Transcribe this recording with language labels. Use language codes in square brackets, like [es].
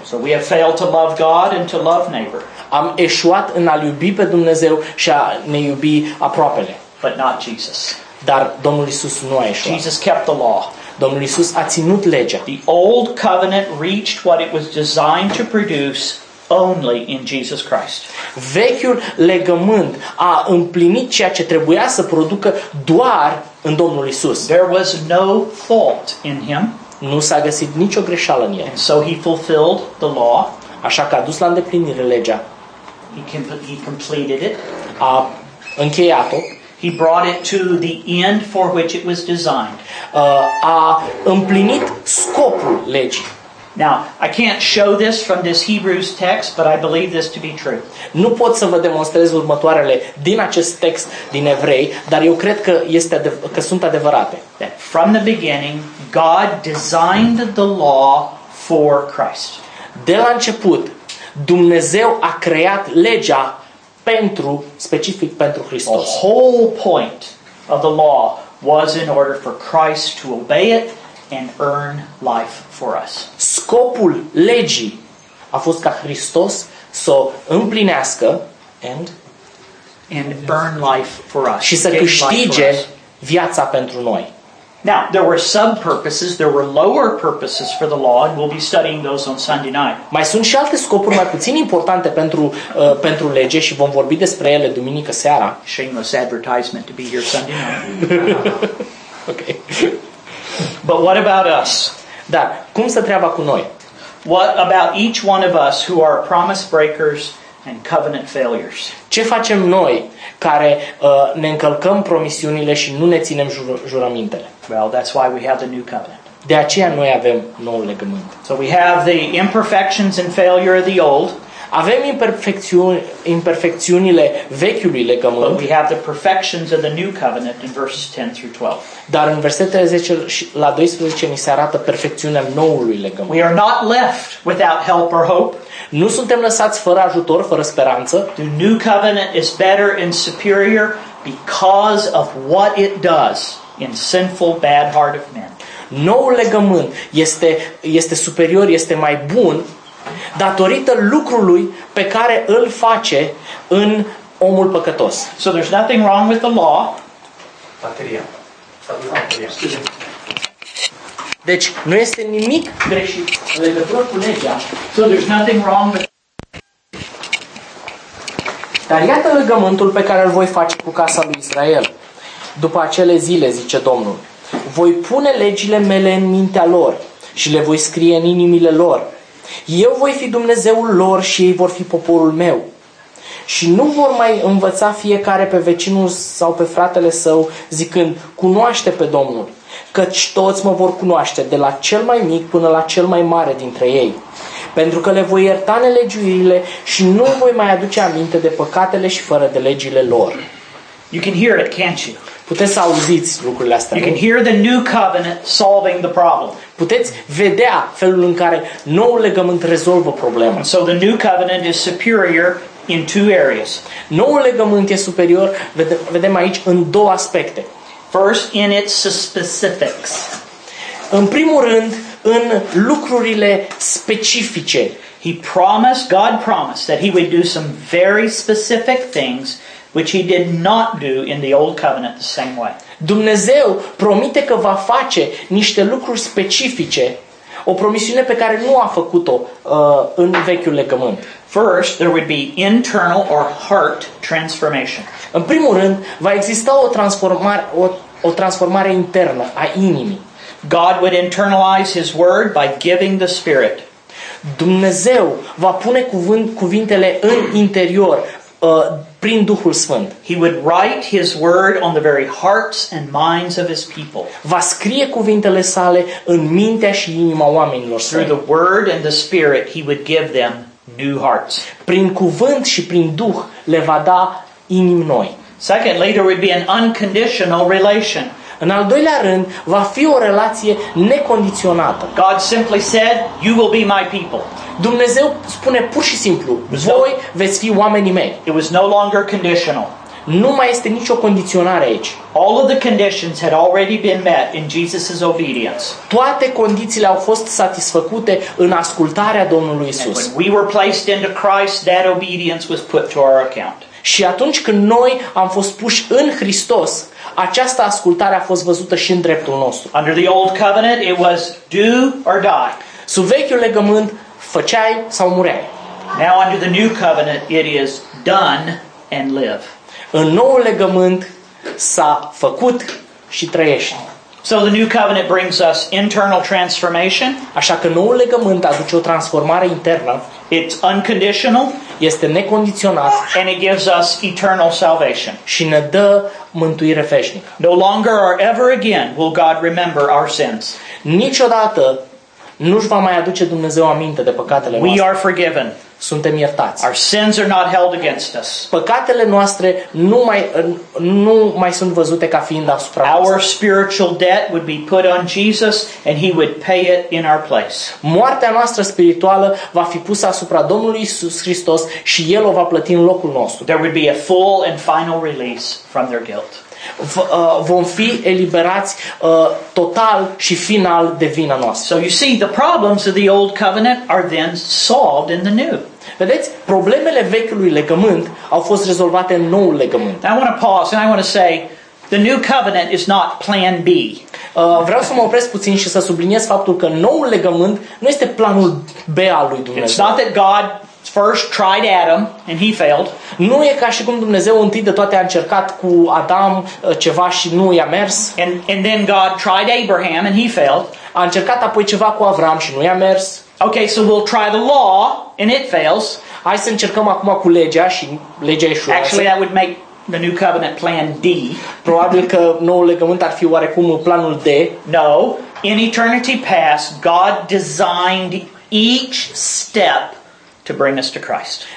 [en] So we have failed to love God and to love neighbor. [ro] Am eșuat în a-L iubi pe Dumnezeu și a ne iubi aproapele. [en] But not Jesus. [ro] Dar Domnul Iisus nu a eșuat. [en] Jesus kept the law. [ro] Domnul Iisus a ținut legea. [en] The old covenant reached what it was designed to produce only in Jesus Christ. [ro] Vechiul legământ a împlinit ceea ce trebuia să producă doar în Domnul Iisus. [en] There was no fault in him. [ro] Nu s-a găsit nicio greșeală în el. [en] And so he fulfilled the law. [ro] Așa că a dus la îndeplinire legea. [en] He completed it. [ro] A încheiat-o. [en] He brought it to the end for which it was designed. [ro] A împlinit scopul legii. [en] Now, I can't show this from this Hebrews text, but I believe this to be true. [ro] Nu pot să vă demonstrez următoarele din acest text din Evrei, dar eu cred că sunt adevărate. [en] That from the beginning, God designed the law for Christ. [ro] De la început, Dumnezeu a creat legea pentru specific pentru Hristos. [en] The whole point of the law was in order for Christ to obey it and earn life for us. [ro] Scopul legii a fost ca Hristos să împlinească [en] and earn life for us. [ro] Și să câștige viața pentru noi. [en] Now, there were sub purposes, there were lower purposes for the law, and we'll be studying those on Sunday night. [ro] Mai sunt și alte scopuri mai puțin importante pentru lege și vom vorbi despre ele duminică seara. [en] Shameless advertisement to be here Sunday night. Okay. But what about us? [ro] Dar cum stă treaba cu noi? [en] What about each one of us who are promise breakers and covenant failures? [ro] Ce facem noi care ne încălcăm promisiunile și nu ne ținem jurămintele? [en] Well, that's why we have the new covenant. [ro] De aceea noi avem noul legământ. [en] So we have the imperfections and failure of the old. [ro] Avem imperfecțiunile vechiului legământ. [en] But we have the perfections of the new covenant in verses 10 through 12. [ro] Dar în versetele 10 la 12 ni se arată perfecțiunea noului legământ. [en] We are not left without help or hope. [ro] Nu suntem lăsați fără ajutor, fără speranță. [en] The new covenant is better and superior because of what it does in sinful, bad heart of men. [ro] Noul legământ este superior, este mai bun datorită lucrului pe care îl face în omul păcătos. [en] So there's nothing wrong with the law. [ro] Bateria. Deci nu este nimic greșit în legătură cu legea. [en] So there's nothing wrong with. [ro] Dar iată legământul pe care îl voi face cu casa lui Israel. După acele zile, zice Domnul, voi pune legile mele în mintea lor și le voi scrie în inimile lor. Eu voi fi Dumnezeul lor și ei vor fi poporul meu. Și nu vor mai învăța fiecare pe vecinul sau pe fratele său, zicând, cunoaște pe Domnul, căci toți mă vor cunoaște, de la cel mai mic până la cel mai mare dintre ei. Pentru că le voi ierta nelegiuirile și nu voi mai aduce aminte de păcatele și fără de legile lor. [en] You can hear it, can't you? [ro] Puteți să auziți lucrurile astea. [en] You can hear the new covenant solving the problem. [ro] Puteți vedea felul în care noul legământ rezolvă problema. [en] So the new covenant is superior in two areas. [ro] Noul legământ e superior, vedem aici, în două aspecte. [en] First, in its specifics. [ro] În primul rând, în lucrurile specifice. [en] He promised, God promised that he would do some very specific things which he did not do in the old covenant the same way. [ro] Dumnezeu promite că va face niște lucruri specifice O promisiune pe care nu a făcut-o în vechiul legământ. [en] First, there would be internal or heart transformation. [ro] În primul rând, va exista o transformare internă a inimii. [en] God would internalize his word by giving the Spirit. [ro] Dumnezeu va pune cuvintele în interior prin Duhul Sfânt. [en] He would write his word on the very hearts and minds of his people. [ro] Va scrie cuvintele sale în mintea și inima oamenilor. [en] Through the word and the Spirit he would give them new hearts. [ro] Prin cuvânt și prin Duh le va da inimi noi. [en] Secondly, there would be an unconditional relation. [ro] În al doilea rând, va fi o relație necondiționată. [en] God simply said, you will be my people. [ro] Dumnezeu spune pur și simplu, voi veți fi oamenii mei. [en] It was no longer conditional. [ro] Nu mai este nicio condiționare aici. [en] All of the conditions had already been met in Jesus' obedience. [ro] Toate condițiile au fost satisfăcute în ascultarea Domnului Iisus. [en] And when we were placed into Christ, that obedience was put to our account. [ro] Și atunci când noi am fost puși în Hristos, această ascultare a fost văzută și în dreptul nostru. [en] Under the old covenant, it was do or die. [ro] Sub vechiul legământ, făceai sau mureai. [en] Now under the new covenant, it is done and live. [ro] În noul legământ, s-a făcut și trăiești. [en] So the new covenant brings us internal transformation. [ro] Așa că noul legământ aduce o transformare internă. [en] It's unconditional. [ro] Este necondiționat. [en] And it gives us eternal salvation. [ro] Și ne dă mântuire veșnică. [en] No longer or ever again will God remember our sins. [ro] Niciodată nu-și va mai aduce Dumnezeu aminte de păcatele noastre. [en] We are forgiven. [ro] Suntem iertați. [en] Our sins are not held against us. [ro] Păcatele noastre nu mai sunt văzute ca fiind asupra noastră. [en] Our spiritual debt would be put on Jesus and he would pay it in our place. [ro] Moartea noastră spirituală va fi pusă asupra Domnului Iisus Hristos și el o va plăti în locul nostru. [en] There would be a full and final release from their guilt. [ro] Vom fi eliberați total și final de vina noastră. [en] So you see, the problems of the old covenant are then solved in the new. [ro] Vedeți, problemele vechiului legământ au fost rezolvate în noul legământ. [en] I want to pause and I want to say the new covenant is not plan B. [ro] Vreau să mă opresc puțin și să subliniez faptul că noul legământ nu este planul B al lui Dumnezeu. [en] It's not that God first tried Adam and he failed. [ro] Nu e ca și cum Dumnezeu întâi de toate a încercat cu Adam ceva și nu i-a mers. [en] And then God tried Abraham and he failed. [ro] A încercat apoi ceva cu Avram și nu i-a mers. [en] Okay, so we'll try the law and it fails. [ro] Hai să încercăm acum cu legea și legea eșuează. [en] Actually, that would make the new covenant plan D. [ro] Probabil că noul legământ ar fi oarecum planul D. [en] No, in eternity past, God designed each step to bring us to Christ.